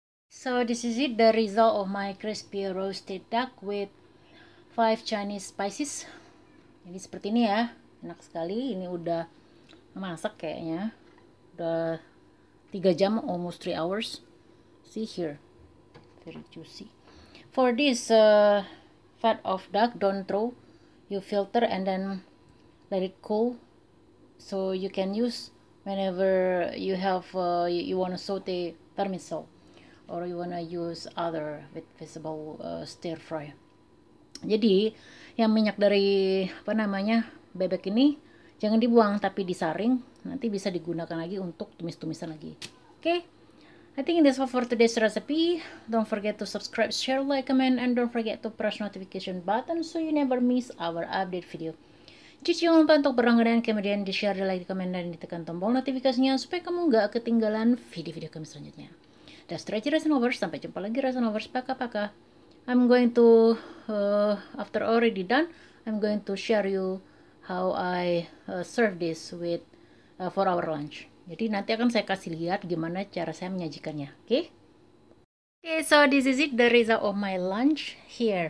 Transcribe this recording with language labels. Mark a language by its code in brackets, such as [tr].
[en] So, this is it, the result of my crispy roasted duck with 5 Chinese spices. [id] Jadi seperti ini ya. Enak sekali, ini udah masak kayaknya. Udah 3 jam, [en] almost 3 hours. See here. Very juicy. For this fat of duck, don't throw. You filter and then let it cool. So you can use whenever you have, you want to saute vermicelli. Or you want to use other with vegetable stir fry. [id] Jadi, yang minyak dari, apa namanya, bebek ini, jangan dibuang, tapi disaring. Nanti bisa digunakan lagi untuk tumis-tumisan lagi. Oke? [en] Okay? I think that's all for today's recipe. Don't forget to subscribe, share, like, comment, and don't forget to press notification button so you never miss our update video. [id] Cici jangan lupa untuk berlangganan, kemudian di-share, di-like, di-comment, dan ditekan tombol notifikasinya supaya kamu nggak ketinggalan video-video kami selanjutnya. [en] That's the Resonovers. [id] Sampai jumpa lagi, Resonovers. Paka-paka. [en] I'm going to, after already done, I'm going to share you how I serve this with for our lunch. [id] Jadi nanti akan saya kasih lihat gimana cara saya menyajikannya. Oke? Okay? [en] Okay, so this is it, the result of my lunch here.